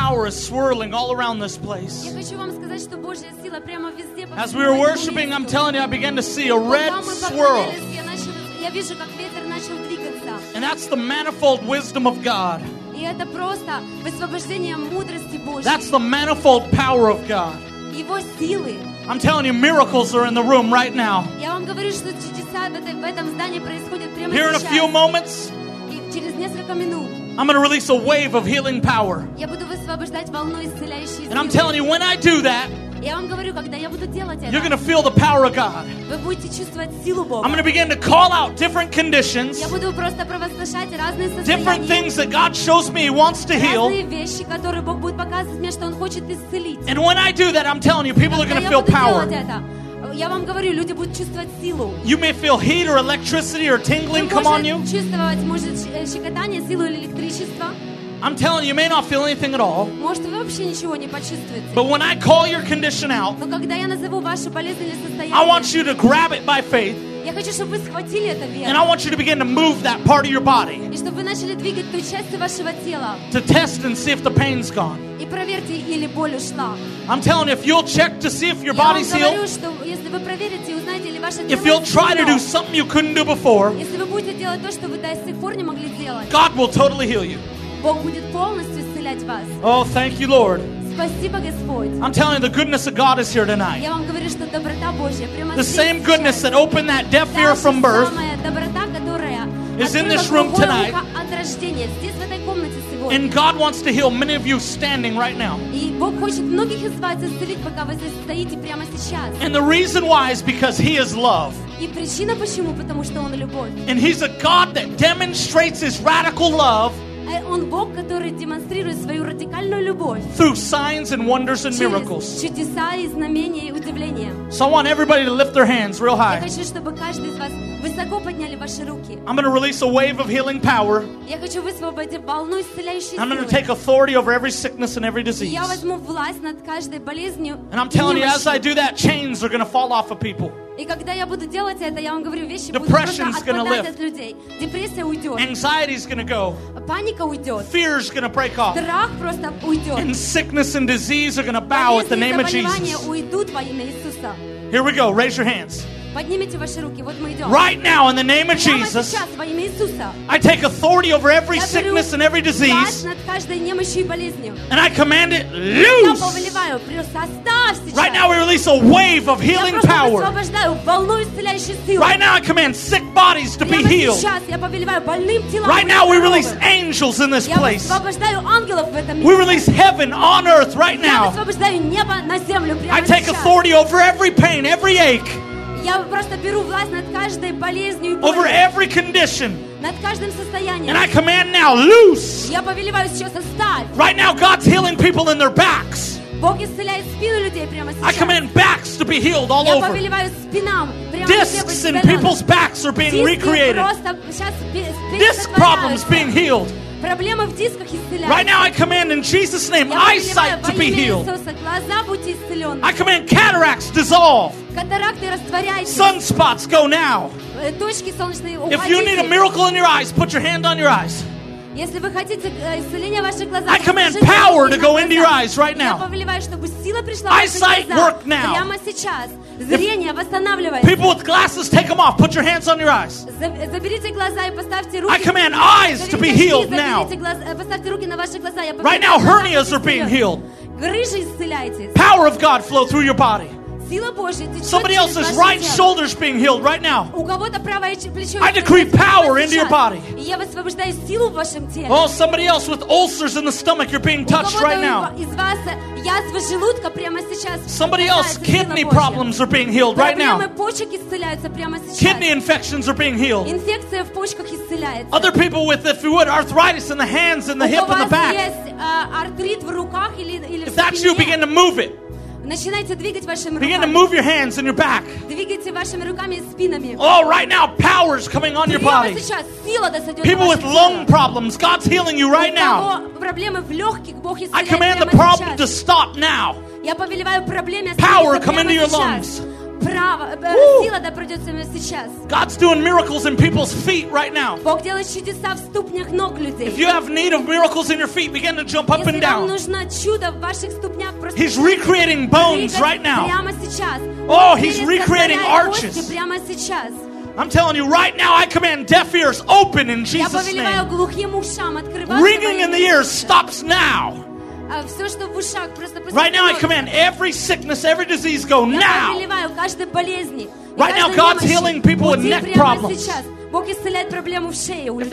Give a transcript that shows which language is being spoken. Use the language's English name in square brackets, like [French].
[English] swirling all around this place. [Russian] Я хочу вам сказать, что Божья сила прямо везде. [English] As we were worshiping, I'm telling you, I began to see a red swirl. [Russian] Я вижу, как ветер начал двигаться. [English] And that's the manifold wisdom of God. [Russian] И это просто высвобождение мудрости Божьей. [English] That's the manifold power of God. [Russian] Его силы. [English] I'm telling you, miracles are in the room right now. [Russian] Я вам говорю, что чудеса в этом здании происходят прямо сейчас. [English] Here in a few moments. [Russian] И через несколько минут. [English] I'm going to release a wave of healing power. [Russian] Я буду высвобождать волну исцеляющей силы. [English] And I'm telling you, when I do that, [Russian] я вам говорю, когда я буду делать это, [English] you're going to feel the power of God. [Russian] Вы будете чувствовать силу Бога. [English] I'm going to begin to call out different conditions. [Russian] Я буду просто провозглашать разные состояния. [English] Different things that God shows me He wants to heal. [Russian] Разные вещи, которые Бог будет показывать мне, что Он хочет исцелить. [English] And when I do that, I'm telling you, people are going to feel power. [Russian] Когда я буду делать это, я вам говорю, люди будут чувствовать силу. [English] You may feel heat or electricity or tingling come on you. [Russian] Чувствовать может щекотание, силу или электричество. [English] I'm telling you, you may not feel anything at all. [Russian] Может вы вообще ничего не почувствуете. [English] But when I call your condition out, [Russian] но когда я назову вашу болезнь или состояние, [English] I want you to grab it by faith. [Russian] Я хочу, чтобы вы схватили это веру. [English] And I want you to begin to move that part of your body. [Russian] И чтобы вы начали двигать ту часть вашего тела. [English] To test and see if the pain's gone. [Russian] И проверьте, или боль ушла. [English] I'm telling you, if you'll check to see if your body's healed. [Russian] Я вам говорю, что если вы проверите, узнаете, или ваше тело. [English] If you'll try to do something you couldn't do before. [Russian] Если вы будете делать то, что вы до сих пор не могли делать. [English] God will totally heal you. [Russian] Бог будет полностью исцелять вас. [English] Oh, thank you, Lord. [Russian] Спасибо, Господь. [English] I'm telling you, the goodness of God is here tonight. [Russian] Я вам говорю, что доброта Божья прямо здесь. [English] The same goodness that opened that deaf ear from birth. [Russian] Самая доброта, которая [English] is in this room tonight. [Russian] От рождения здесь, в этой комнате сегодня. [English] And God wants to heal many of you standing right now. [Russian] И Бог хочет многих из вас исцелить, пока вы здесь стоите прямо сейчас. [English] And the reason why is because He is love. [Russian] И причина почему, потому что Он любовь. [English] And He's a God that demonstrates His radical love. [Russian] Он Бог, который демонстрирует свою радикальную любовь. [English] Through signs and wonders and miracles. [Russian] Чудеса и знамения и удивления. [English] So I want everybody to lift their hands real high. [Russian] Я хочу, чтобы каждый из вас высоко подняли ваши руки. [English] I'm going to release a wave of healing power. [Russian] Я хочу высвободить волну исцеляющей силы. [English] I'm going to take authority over every sickness and every disease. [Russian] Я возьму власть над каждой болезнью. [English] And I'm telling you, as I do that, chains are going to fall off of people. [Russian] И когда я буду делать это, я вам говорю, вещи будут просто отпадать от людей. Депрессия уйдет. [English] Anxiety's gonna go. [Russian] Паника уйдет. [English] Fear's gonna break off. [Russian] Страх просто уйдет. [English] And sickness and disease are gonna bow at the name of Jesus. [Russian] Болезни и заболевания уйдут во имя Иисуса. [English] Here we go. Raise your hands. [Russian] Поднимите ваши руки. Вот мы идем. [English] Right now, in the name of Jesus. [Russian] Прямо сейчас во имя Иисуса. [English] I take authority over every sickness and every disease. [Russian] Я беру власть над каждой немощью и болезнью. [English] And I command it loose. [Russian] Я повелеваю, просто оставь сейчас. [English] Right now, we release a wave of healing power. [Russian] Я просто высвобождаю волну исцеляющей силы. [English] Right now, I command sick bodies to be healed. [Russian] Прямо сейчас я повелеваю больным телам. [English] Right now, we release angels in this place. [Russian] Я высвобождаю ангелов в этом месте. [English] We release heaven on earth right now. [Russian] Я высвобождаю небо на землю прямо сейчас. [English] I take authority over every pain, every ache. [Russian] Я просто беру власть над каждой болезнью и болью. [English] Over every condition. [Russian] Над каждым состоянием. [English] And I command now, loose. [Russian] Я повелеваю сейчас, оставь. [English] Right now, God's healing people in their backs. [Russian] Бог исцеляет спину людей прямо сейчас. [English] I command backs to be healed all over. [Russian] Я повелеваю спинам. [English] Discs in people's backs are being recreated. Disc problems being healed. [Russian] Проблемы в дисках исцеляются. [English] Right now I command in Jesus' name eyesight to be healed. [Russian] Глаза будьте исцелены. [English] I command cataracts dissolve. [Russian] Катаракты растворяйтесь. [English] Sunspots go now. [Russian] Точки солнечные уходите. [English] If you need a miracle in your eyes, put your hand on your eyes. [Russian] Если вы хотите исцеления ваших глаз, [English] I command power to go into your eyes right now. [Russian] Я повелеваю, чтобы сила пришла. [English] Eyesight work now. [Russian] Прямо сейчас. Зрение восстанавливается. [English] People with glasses, take them off. Put your hands on your eyes. [Russian] Заберите глаза и поставьте руки. [English] I command eyes to be healed now. [Russian] Поставьте руки на ваши глаза. [English] Right now, hernias are being healed. [Russian] Грыжи исцеляйтесь. [English] Power of God flow through your body. [Russian] Сила Божья течет через ваше. [English] Somebody else's right shoulder is being healed right now. [Russian] У кого-то правое плечо. [English] I decree power into your body. [Russian] Я высвобождаю силу в вашем теле. [English] Oh, somebody else with ulcers in the stomach, you're being touched right now. [Russian] У кого-то из вас язва желудка прямо сейчас. [English] Somebody else, kidney problems are being healed right now. [Russian] Проблемы почек исцеляются прямо сейчас. [English] Kidney infections are being healed. [Russian] Инфекция в почках исцеляется. [English] Other people with, if you would, arthritis in the hands and the hip and the back. [Russian] У кого есть артрит в руках или в спине. [English] If that's you, begin to move it. [Russian] Начинайте двигать вашими руками. [English] Begin to move your hands and your back. [Russian] Двигайте вашими руками и спинами. [English] Oh, right now, power is coming on your body. People with lung problems, God's healing you right now. [Russian] Проблемы в легких, Бог исцеляет. [English] I command the problem to stop now. [Russian] Я повелеваю проблеме. [English] Power, come into your lungs. [Russian] сила, да придет с нами сейчас. [English] God's doing miracles in people's feet right now. [Russian] Бог делает чудеса в ступнях ног людей. [English] If you have need of miracles in your feet, begin to jump up and down. [Russian] Если вам нужно чудо в ваших ступнях, просто. [English] He's recreating bones right now. [Russian] Прямо сейчас. [English] Oh, he's recreating arches. [Russian] Прямо сейчас. [English] I'm telling you right now, I command deaf ears open in Jesus' name. [Russian] Я повелеваю глухим ушам открываться. [English] Ringing in the ears stops now. [Russian] Все, что в ушах, просто посмотрите. [English] Right now, I command every sickness, every disease, go now. [Russian] Я повелеваю каждой болезни. [English] Right now, God's healing people with neck problems. [Russian] Сейчас Бог исцеляет проблему в шее у людей.